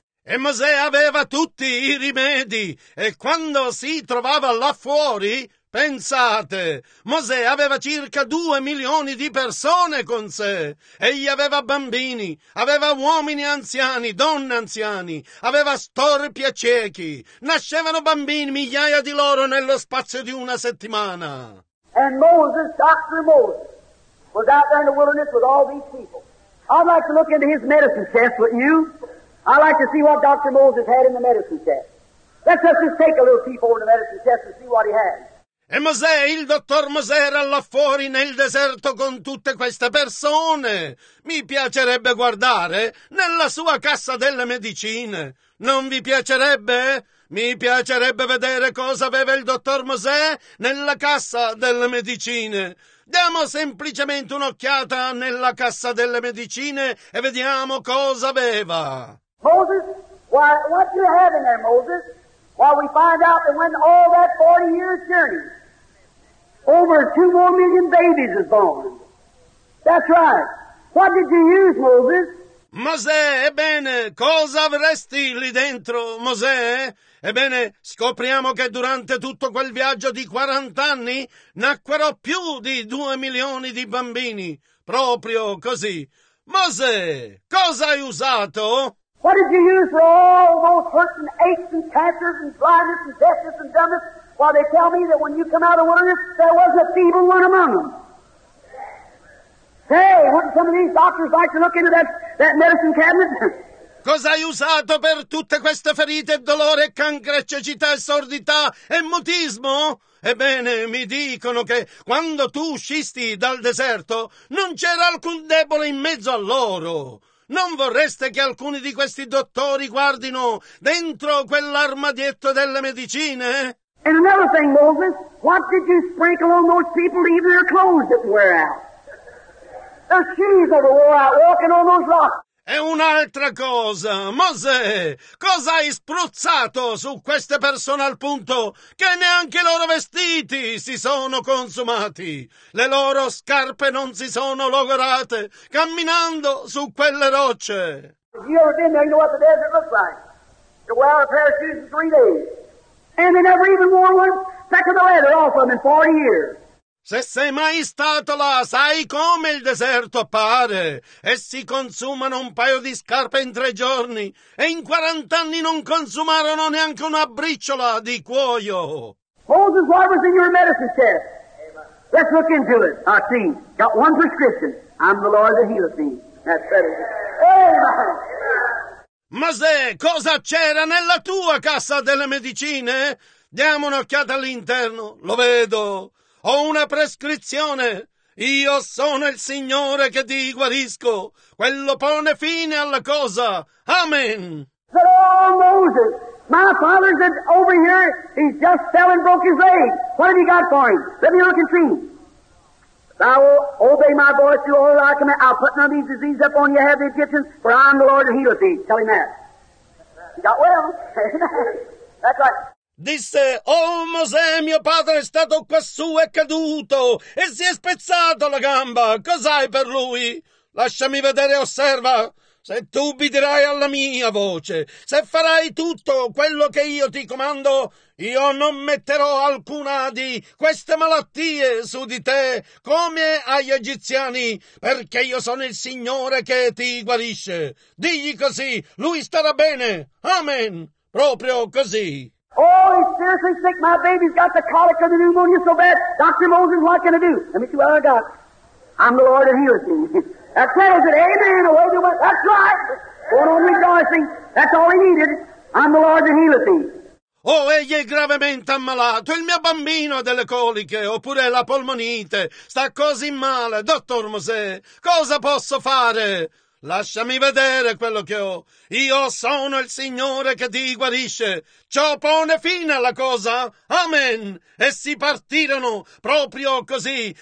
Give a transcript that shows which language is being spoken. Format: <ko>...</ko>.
<it>E Mosè aveva tutti i rimedi e quando si trovava là fuori, pensate, Mosè aveva circa 2 milioni di persone con sé. Egli aveva bambini, aveva uomini anziani, donne anziani, aveva storpi e ciechi. Nascevano bambini, migliaia di loro, nello spazio di una settimana.</it> <en>And Moses, Dr. Moses, was out there in the wilderness with all these people. I'd like to look into his medicine chest, wouldn't you? I'd like to see what Dr. Moses had in the medicine chest. Let's just take a little peep over the medicine chest and see what he had.</en> <it>E Mosè, il dottor Mosè era là fuori nel deserto con tutte queste persone. Mi piacerebbe guardare nella sua cassa delle medicine. Non vi piacerebbe? Mi piacerebbe vedere cosa aveva il dottor Mosè nella cassa delle medicine. Diamo semplicemente un'occhiata nella cassa delle medicine e vediamo cosa aveva.</it> <en>Moses, why, what do you have in there, Moses? While we find out that when all that 40 years journey, over 2 more million babies is born. That's right. What did you use, Moses?</en> <it>Mosè, ebbene, cosa avresti lì dentro, Mosè? Ebbene, scopriamo che durante tutto quel viaggio di 40 anni nacquero più di 2 milioni di bambini. Proprio così. Mosè, cosa hai usato?</it> <en>What did you use for all those hurts and aches and cancers and blindness and deafness and dumbness while they tell me that when you come out of the wilderness there wasn't a feeble one among them? Hey, wouldn't some of these doctors like to look into that medicine cabinet?</en> <it>Cosa hai usato per tutte queste ferite, dolore, cancro, cecità, sordità e mutismo? Ebbene, mi dicono che quando tu uscisti dal deserto non c'era alcun debole in mezzo a loro. Non vorreste che alcuni di questi dottori guardino dentro quell'armadietto delle medicine?</it> <en>And another thing, Moses, what did you sprinkle on those people to even their clothes that wear out? Their shoes that were out walking on those rocks.</en> <it>E un'altra cosa, Mosè, cosa hai spruzzato su queste persone al punto che neanche i loro vestiti si sono consumati? Le loro scarpe non si sono logorate camminando su quelle rocce.</it> <en>Have you ever been there? You know what the desert looks like. You wear a pair of shoes in 3 days. And they never even wore one back of the leather off of them in 40 years.</en> <it>Se sei mai stato là, sai come il deserto appare. Essi consumano un paio di scarpe in 3 giorni e in 40 anni non consumarono neanche una briciola di cuoio.</it> <en>Moses, what was in your medicine chest? Let's look into it. I see. Got one prescription. I'm the Lord that healeth thee. That's better. Amen.</en> <it>Mosè, cosa c'era nella tua cassa delle medicine? Diamo un'occhiata all'interno. Lo vedo. Ho una prescrizione. Io sono il Signore che ti guarisco. Quello pone fine alla cosa. Amen.</it> <en>Hello, Moses. My father's over here. He just fell and broke his leg. What have you got for him? Let me look and see. Thou will obey my voice, do all that I command. I'll put none of these diseases up on you, have the Egyptians, for I am the Lord that healeth thee. Tell him that. He got well. That's right.</en> <it>Disse, oh Mosè, mio padre è stato quassù e caduto, e si è spezzato la gamba. Cos'hai per lui? Lasciami vedere e osserva. Se tu ubbidirai alla mia voce, se farai tutto quello che io ti comando, io non metterò alcuna di queste malattie su di te, come agli egiziani, perché io sono il Signore che ti guarisce. Digli così, lui starà bene. Amen. Proprio così.</it> <en>Oh, he's seriously sick. My baby's got the colic of the pneumonia so bad. Dr. Moses, what can I do? Let me see what I got. I'm the Lord that heals me. That settles it. Amen. Well, that's right. Going on rejoicing. That's all he needed. I'm the Lord that heals me.</en> <it>Oh, egli è gravemente ammalato. Il mio bambino ha delle coliche, oppure la polmonite. Sta così male. Dottor Mosè, cosa posso fare? Lasciami vedere quello che ho. Io sono il Signore che ti guarisce. Ciò pone fine alla cosa. Amen. E si partirono proprio così.</it>